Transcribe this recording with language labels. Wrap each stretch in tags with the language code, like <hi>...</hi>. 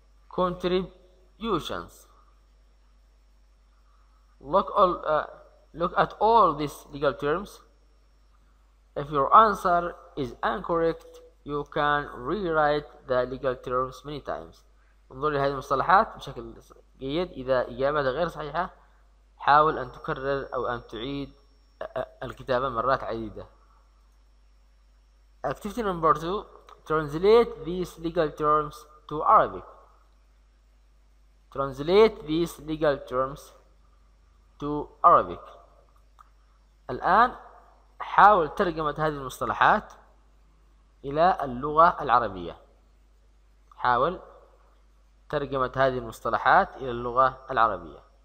<en>Contributions. Look at all these legal terms. If your answer is incorrect, you can rewrite the legal terms many times.</en> <ar>انظر لهذه المصطلحات بشكل جيد. إذا إجابتك غير صحيحة، حاول أن تكرر أو أن تعيد الكتابة مرات عديدة.</ar> <en>Activity number two, translate these legal terms to Arabic. Translate these legal terms to Arabic.</en> <ar>الآن حاول ترجمة هذه المصطلحات إلى اللغة العربية. حاول ترجمة هذه المصطلحات إلى اللغة العربية.</ar>